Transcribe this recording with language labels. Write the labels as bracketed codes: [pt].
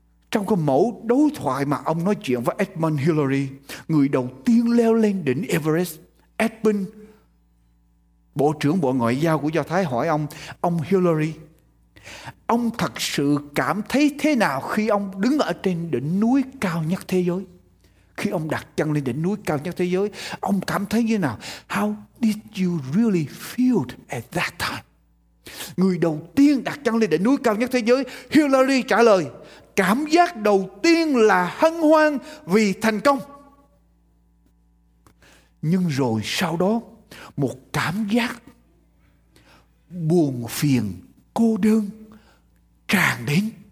[vi] Trong cái mẫu đối thoại mà ông nói chuyện với Edmund Hillary, người đầu tiên leo lên đỉnh Everest, Eppin, bộ trưởng Bộ Ngoại giao của Do Thái hỏi ông Hillary, ông thật sự cảm thấy thế nào khi ông đứng ở trên đỉnh núi cao nhất thế giới? Khi ông đặt chân lên đỉnh núi cao nhất thế giới, ông cảm thấy như thế nào? [en] How did you really feel at that time? [vi] Người đầu tiên đặt chân lên đỉnh núi cao nhất thế giới, Hillary trả lời, cảm giác đầu tiên là hân hoan vì thành công. Nhưng rồi sau đó, một cảm giác buồn phiền, cô đơn tràn đến.